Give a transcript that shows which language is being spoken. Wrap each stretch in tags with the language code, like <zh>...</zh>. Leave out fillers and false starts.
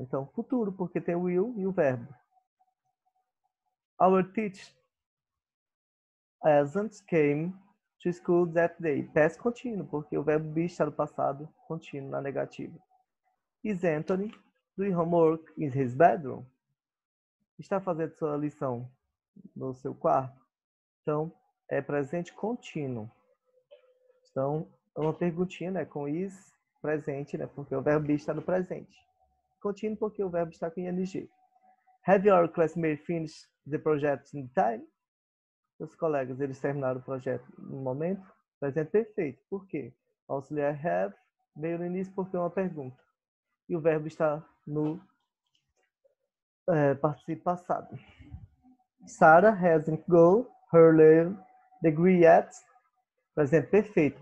<pt>Então, futuro, porque tem o will e o verbo.</pt> <en>Our teacher hasn't came to school that day.</en> <pt>Past contínuo, porque o verbo be está no passado, contínuo, na negativa.</pt> <en>Is Anthony doing homework in his bedroom? Está fazendo sua lição no seu quarto?</en> <pt>Então, é presente contínuo. Então, é uma perguntinha, né? Com is presente, né? Porque o verbo be está no presente. Continue porque o verbo está com ing.</pt> <en>Have your classmates finished the project in time?</en> <pt>Os colegas, eles terminaram o projeto no momento? Presente perfeito. Por quê? Auxiliar have, meio no início porque é uma pergunta. E o verbo está no participio passado.</pt> <en>Sarah hasn't got her degree yet. Presente perfeito.</en>